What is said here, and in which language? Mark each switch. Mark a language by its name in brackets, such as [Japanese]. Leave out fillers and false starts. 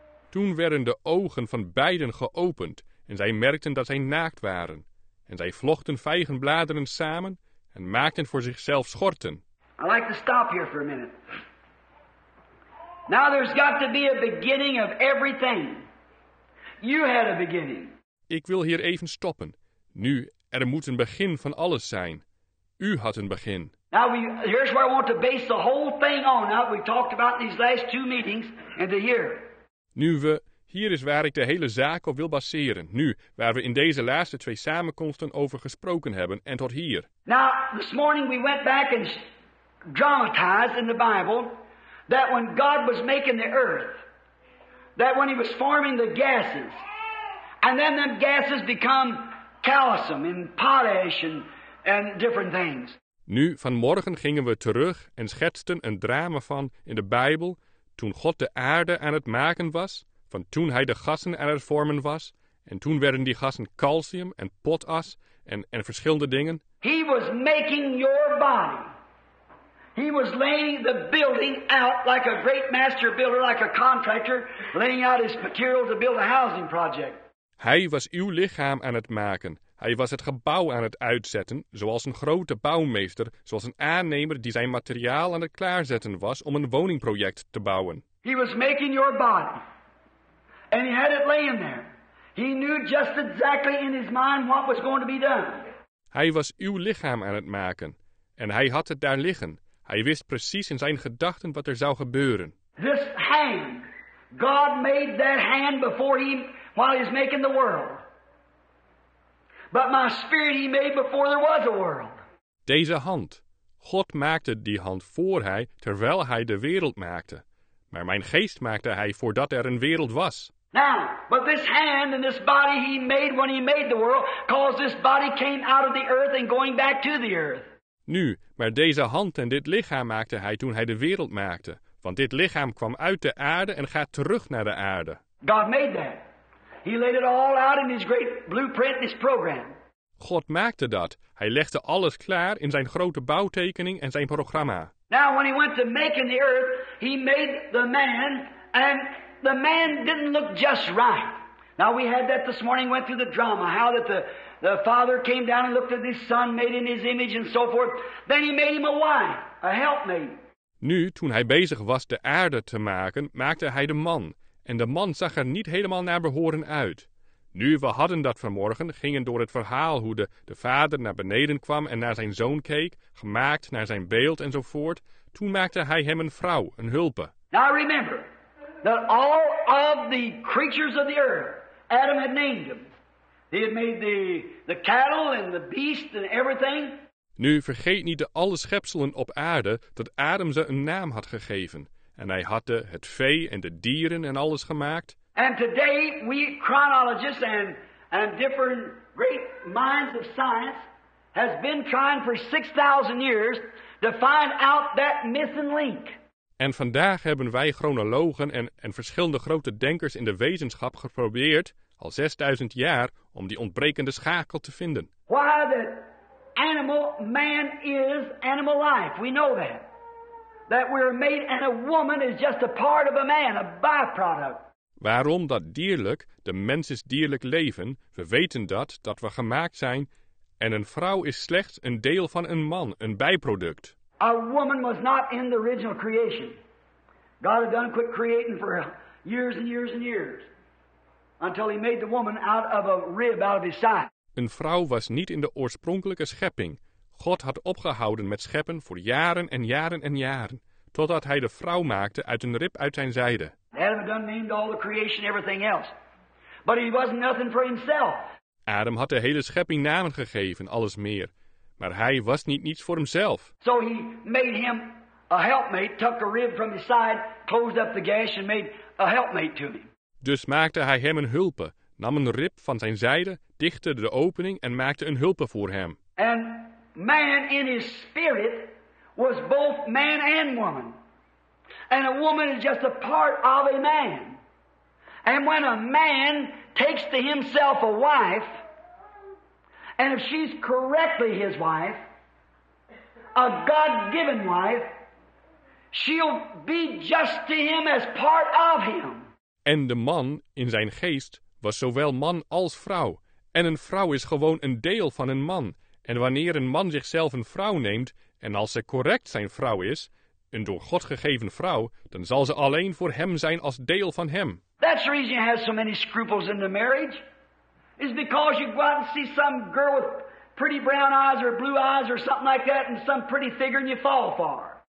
[Dutch] Toen werden de ogen van beiden geopend en zij merkten dat zij naakt waren. En zij vlochten vijgenbladeren samen en maakten voor zichzelf schorten. [English] I'd like to stop here for a minute. Now there's got to be a beginning of everything. You had a beginning. [Dutch] Ik wil hier even stoppen. Nu, er moet een begin van alles zijn. U had een begin. [English] Now here's where I want to base the whole thing on. Now we talked about these last two meetings and the year. [Dutch] Hier is waar ik de hele zaak op wil baseren. Nu, waar we in deze laatste twee samenkomsten over gesproken hebben en tot hier. [English] Now this morning we went back and dramatized in the Bible that when God was making the earth, that when he was forming the gases, and then them gases become calcium and potash and different things. [Dutch] Nu, vanmorgen gingen we terug en schetsten een drama van, in de Bijbel, toen God de aarde aan het maken was, van toen hij de gassen aan het vormen was, en toen werden die gassen calcium en potas en verschillende dingen. [English] He was making your body. He was laying the building out like a great master builder, like a contractor, laying out his material to build a housing project. [Dutch] Hij was uw lichaam aan het maken. Hij was het gebouw aan het uitzetten, zoals een grote bouwmeester, zoals een aannemer die zijn materiaal aan het klaarzetten was om een woningproject te bouwen. [English] He was making your body. And he had it laying there. He knew just exactly in his mind what was going to be done. [Dutch] Hij was uw lichaam aan het maken. En hij had het daar liggen. Hij wist precies in zijn gedachten wat er zou gebeuren. [English] This hand. God made that hand before he, while he was making the world. But my spirit he made before there was a world. [Dutch] Deze hand. God maakte die hand voor hij, terwijl hij de wereld maakte. Maar mijn geest maakte hij voordat er een wereld was. [English] Now, but this hand and this body he made when he made the world, cause this body came out of the earth and going back to the earth. [Dutch] Nu, maar deze hand en dit lichaam maakte hij toen hij de wereld maakte. Want dit lichaam kwam uit de aarde en gaat terug naar de aarde. [English] God made that. He laid it all out in his great blueprint, his program. [Dutch] God maakte dat. Hij legde alles klaar in zijn grote bouwtekening en zijn programma. [English] Now when he went to making the earth, he made the man, and the man didn't look just right. Now we had that this morning, went through the drama, how that the father came down and looked at his son, made in his image and so forth. Then he made him a wife, a helpmate. [Dutch] Nu, toen hij bezig was de aarde te maken, maakte hij de man. En de man zag er niet helemaal naar behoren uit. Nu, we hadden dat vanmorgen, gingen door het verhaal hoe de vader naar beneden kwam en naar zijn zoon keek, gemaakt naar zijn beeld enzovoort. Toen maakte hij hem een vrouw, een hulpe. [English] Now remember, that all of the creatures of the earth, Adam had named them. He had made the cattle and the beast and everything. [Dutch] Nu, vergeet niet de alle schepselen op aarde dat Adam ze een naam had gegeven. En hij had het vee en de dieren en alles gemaakt. [English] And today we chronologists and different great minds of science has been trying for 6,000 years to find out that missing link. [Dutch] En vandaag hebben wij chronologen en verschillende grote denkers in de wetenschap geprobeerd al 6,000 jaar om die ontbrekende schakel te vinden. [English] Why that animal man is animal life? We know that. That we're made and a woman is just a part of a man, a byproduct. [Dutch] Waarom dat dierlijk, de mens is dierlijk leven, we weten dat we gemaakt zijn, en een vrouw is slechts een deel van een man, een bijproduct. [English] A woman was not in the original creation. God had done quit creating for years and years and years, until he made the woman out of a rib, out of his side. [Dutch] Een vrouw was niet in de oorspronkelijke schepping. God had opgehouden met scheppen voor jaren en jaren en jaren, totdat hij de vrouw maakte uit een rib uit zijn zijde. [English] Adam had done named all the creation, everything else. But he wasn't nothing for himself. [Dutch] Adam had de hele schepping namen gegeven, alles meer. Maar hij was niet niets voor hemzelf. [English] So he made him a helpmate, took a rib from his side, closed up the gash and made a helpmate to him. [Dutch] Dus maakte hij hem een hulpe, nam een rib van zijn zijde, dichtte de opening en maakte een hulpe voor hem. [English] And man in his spirit was both man and woman. And a woman is just a part of a man. And when a man takes to himself a wife, and if she's correctly his wife, a God-given wife, she'll be just to him as part of him. [Dutch] En de man in zijn geest was zowel man als vrouw. En een vrouw is gewoon een deel van een man. En wanneer een man zichzelf een vrouw neemt, en als ze correct zijn vrouw is, een door God gegeven vrouw, dan zal ze alleen voor hem zijn als deel van hem. [English] That's the reason you have so many scruples in the marriage. Is because you go out and see some girl with pretty brown eyes or blue eyes or something like that and some pretty figure and you fall for.